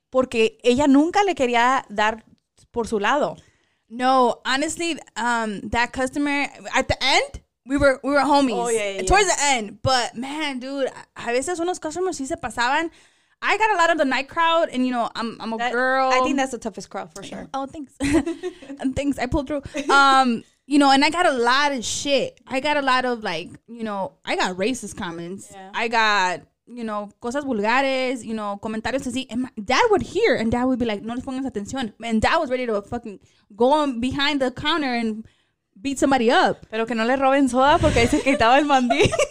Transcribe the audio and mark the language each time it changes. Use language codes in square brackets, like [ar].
[es] Porque ella nunca le quería dar por su lado. [en] No, honestly, that customer, at the end, we were homies. Oh, yeah. Towards the end. But, man, dude, [es] a veces unos customers sí se pasaban. [en] I got a lot of the night crowd, and, you know, I'm a girl. I think that's the toughest crowd, for sure. Oh, thanks. Thanks, I pulled through. You know, and I got a lot of shit. I got a lot of, like, you know, I got racist comments. Yeah. I got, you know, [es] cosas vulgares, [en] you know, [es] comentarios así. [en] And my dad would hear, and dad would be like, [es] no les pongas atención. [en] And dad was ready to fucking go on behind the counter and beat somebody up. [es] Pero que no le roben soda porque ahí se quitaba el mandil.